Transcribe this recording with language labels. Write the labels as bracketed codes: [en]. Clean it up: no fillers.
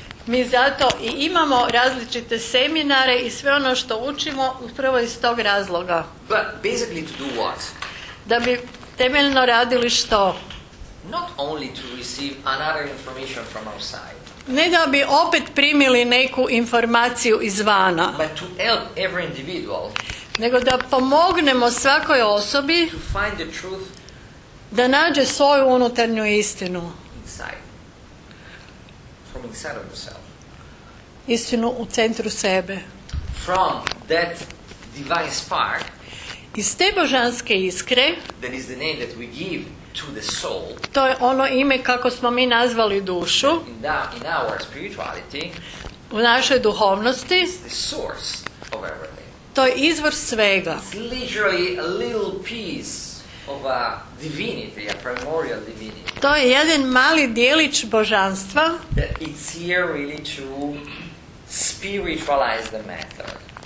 [hr] Mi zato i imamo različite seminare i sve ono što učimo upravo iz tog razloga. [en] But basically to do what? [hr] Da bi temeljno radili što? [en] Not only to receive another information from outside. [hr] Ne da bi opet primili neku informaciju izvana. [en] But to help every individual. [hr] Nego da pomognemo svakoj osobi [en] to find the truth, [hr] da nađe svoju unutarnju istinu. [en] Inside. From inside of yourself. [hr] Istinu u centru sebe. [en] From that divine spark. [hr] Iz te božanske iskre. [en] That is the name that we give to the soul. [hr] To je ono ime kako smo mi nazvali dušu. [en] In our spirituality. [hr] U našoj duhovnosti. [en] The source of everything. [hr] To je izvor svega. [en] It's literally a little piece of a divinity, a primordial divinity. [hr] To je jedan mali dijelić božanstva. [en] That it's here really to spiritualize the matter.